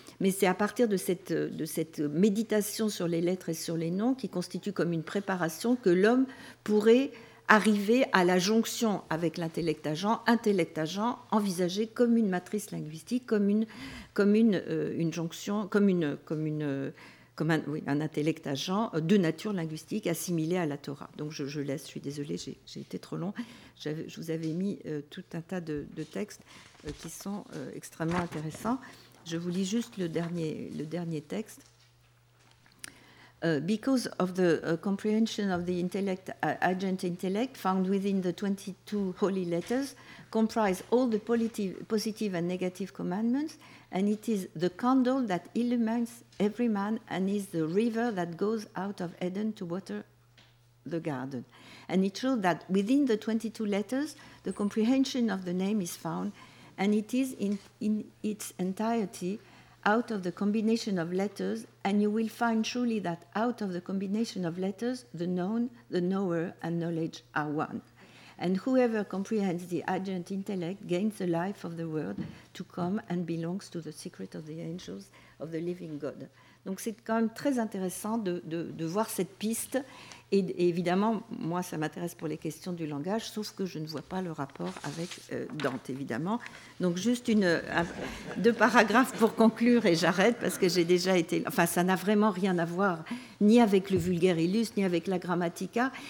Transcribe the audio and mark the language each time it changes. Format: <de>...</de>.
<fr>Mais c'est à partir de cette méditation sur les lettres et sur les noms qui constitue comme une préparation que l'homme pourrait arriver à la jonction avec l'intellect agent envisagé comme une matrice linguistique, comme un intellect agent de nature linguistique assimilé à la Torah. Donc je laisse, je suis désolée, j'ai été trop long. Je vous avais mis tout un tas de textes qui sont extrêmement intéressants. Je vous lis juste le dernier texte.</fr> <en>Because of the comprehension of the intellect, agent intellect found within the 22 holy letters comprise all the positive and negative commandments, and it is the candle that illumines every man and is the river that goes out of Eden to water the garden. And it shows that within the 22 letters, the comprehension of the name is found, and it is in its entirety out of the combination of letters, and you will find truly that out of the combination of letters, the known, the knower, and knowledge are one. And whoever comprehends the agent intellect gains the life of the world, to come and belongs to the secret of the angels of the living God.</en> <fr>Donc c'est quand même très intéressant de voir cette piste. Et évidemment, moi, ça m'intéresse pour les questions du langage, sauf que je ne vois pas le rapport avec Dante, évidemment. Donc, juste deux paragraphes pour conclure et j'arrête, parce que j'ai déjà été... Enfin, ça n'a vraiment rien à voir ni avec le vulgaire illustre, ni avec la grammatica.</fr>